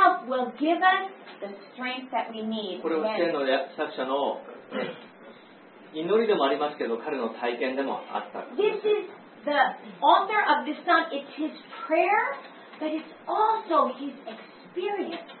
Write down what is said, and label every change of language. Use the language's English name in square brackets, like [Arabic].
[English] God himself will give us the strength that we need. [Japanese] これは聖の作者の祈りでもありますけど、彼の体験でもあった。 [English] This is the author of this song. It's his prayer, but it's also his experience.